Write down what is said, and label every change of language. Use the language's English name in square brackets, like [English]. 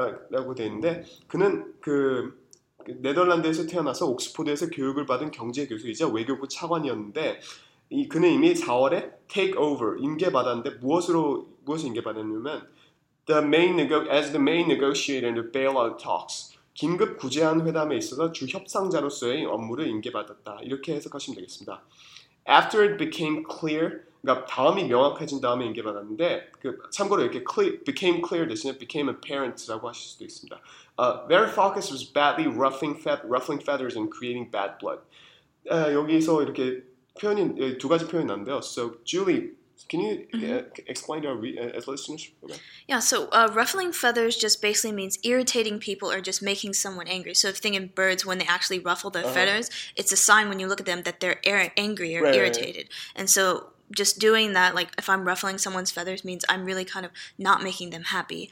[Korean] 라고 돼 있는데 그는 그 네덜란드에서 태어나서 옥스포드에서 교육을 받은 경제 교수이자 외교부 차관이었는데 이 그는 이미 4월에 [English] take over [Korean] 임계 받았는데 무엇을 임계 받았냐면 [English] as the main negotiator in the bailout talks [Korean] 긴급 구제안 회담에 있어서 주 협상자로서의 업무를 임계 받았다 이렇게 해석하시면 되겠습니다. [English] After it became clear [Korean] 그러니까 다음이 명확해진 다음에 인계 받았는데 그 참고로 이렇게 [English] became clear [Korean] 대신에 [English] became apparent [Korean] 라고 하실 수도 있습니다. [English] Varoufakis was badly ruffling feathers and creating bad blood. [Korean] 여기서 이렇게 표현이 두 가지 표현이 나는데요. [English] So Julie, can you explain to our listeners? Okay. Yeah, so ruffling feathers just basically means irritating people or just making someone angry. So if thinking birds, when they actually ruffle their uh-huh. feathers, it's a sign when you look at them that they're angry or right, irritated. Right, right. And so just doing that, like if I'm ruffling someone's feathers, means I'm really kind of not making them happy.